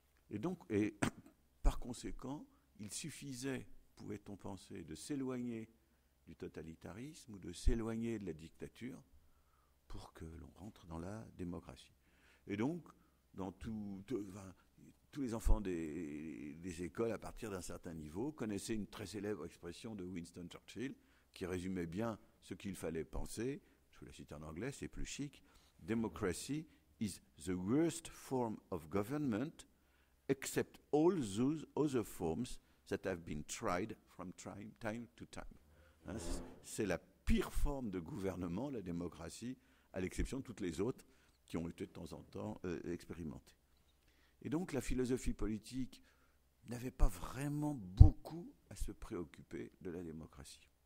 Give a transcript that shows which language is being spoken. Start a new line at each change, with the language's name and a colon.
French: Et donc, et par conséquent, il suffisait, pouvait-on penser, de s'éloigner du totalitarisme ou de s'éloigner de la dictature pour que l'on rentre dans la démocratie. Et donc, dans tous les enfants des écoles, à partir d'un certain niveau, connaissaient une très célèbre expression de Winston Churchill qui résumait bien ce qu'il fallait penser. Je vous la cite en anglais, c'est plus chic.
English: « Democracy is the worst form of government except all those other forms that have been tried from time to time.
French: Hein, » C'est la pire forme de gouvernement, la démocratie, à l'exception de toutes les autres qui ont été de temps en temps expérimentées. Et donc, la philosophie politique n'avait pas vraiment beaucoup à se préoccuper de la démocratie.